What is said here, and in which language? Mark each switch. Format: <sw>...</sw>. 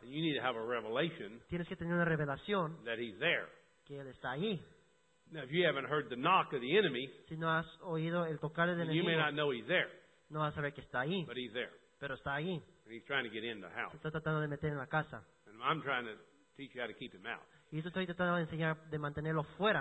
<en>And you need to have a revelation.</en> <es>Tienes que tener una revelación.</es> <en>That he's there.</en> <es>Que él está ahí.</es> <en>Now, if you haven't heard the knock of the enemy,</en> <es>si no has oído el tocar del enemigo,</es> <en>you may not know he's there.</en> <es>No vas a saber que está ahí.</es> <en>But he's there.</en> <es>Pero está ahí.</es> <en>And he's trying to get in the house.</en> <es>Está tratando de meter en la casa.</es> <en>And I'm trying to teach you how to keep him out.</en> <es>Y yo estoy tratando de enseñar de mantenerlo fuera.</es>